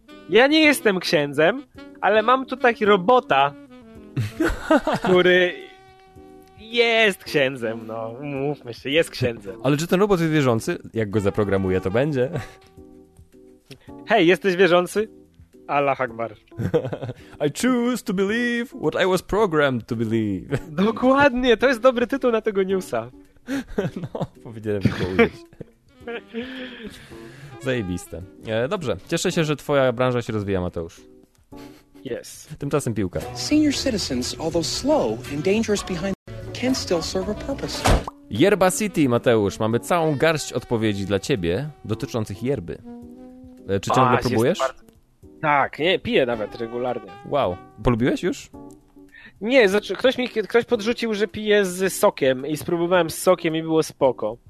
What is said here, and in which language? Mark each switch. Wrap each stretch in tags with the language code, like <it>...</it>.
<pl>Ja nie jestem księdzem, ale mam tu taki robota, który jest księdzem, no. Mówmy się, jest księdzem. Ale czy ten robot jest wierzący? Jak go zaprogramuję, to będzie. Hej, jesteś wierzący? Allah Akbar.</pl> <en>I choose to believe what I was programmed to believe.</en> <pl>Dokładnie, to jest dobry tytuł na tego newsa. No, powinienem go użyć. Zajebiste. Dobrze, cieszę się, że twoja branża się rozwija, Mateusz.</pl> <en>Yes.</en> <pl>Tymczasem piłka.</pl> <en>Senior citizens, although slow and dangerous behind, can still serve a purpose.</en> <pl>Yerba City, Mateusz, mamy całą garść odpowiedzi dla ciebie dotyczących yerby. Czy ciągle próbujesz? Bardzo... Tak, nie, piję nawet regularnie. Wow, polubiłeś już? Nie, znaczy, ktoś podrzucił, że piję z sokiem i spróbowałem z sokiem i było spoko.</pl>